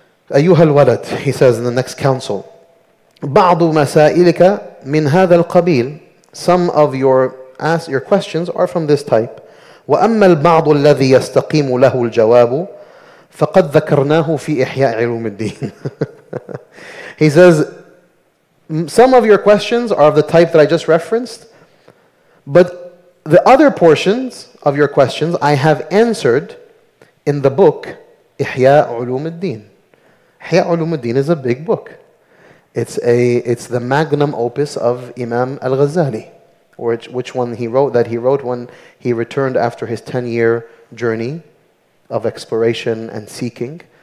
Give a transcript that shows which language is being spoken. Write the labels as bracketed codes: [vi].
[ar] أيها الولد, [en] he says in the next council, [ar] بعض مسائلك من هذا القبيل. [en] Some of your questions are from this type. [ar] وأما البعض الذي يستقيم له الجواب فقد ذكرناه في إحياء علوم الدين. [en] He says, some of your questions are of the type that I just referenced, but the other portions of your questions I have answered in the book إحياء علوم الدين. إحياء علوم الدين is a big book. It's the magnum opus of Imam Al-Ghazali, which he wrote when he returned after his 10-year journey of exploration and seeking.